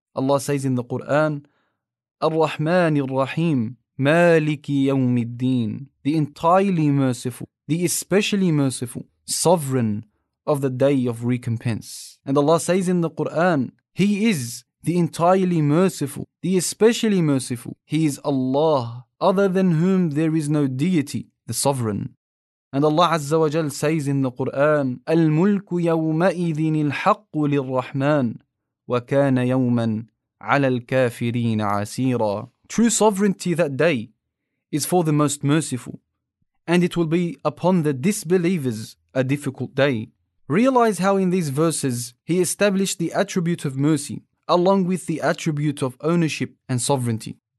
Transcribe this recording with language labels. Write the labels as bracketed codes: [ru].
[en] Allah says in the Quran, [ar] الرحمن الرحيم مالك يوم الدين, [en] the entirely merciful, the especially merciful, sovereign of the day of recompense. And Allah says in the Quran, He is the entirely merciful, the especially merciful. He is Allah, other than whom there is no deity, the sovereign. And Allah Azza wa Jal says in the Quran, [ar] الملك يومئذ الحق للرحمن وكان يوما على الكافرين عسيرا. [en] True sovereignty that day is for the most merciful, and it will be upon the disbelievers a difficult day. Realize how in these verses He established the attribute of mercy along with the attribute of ownership and sovereignty.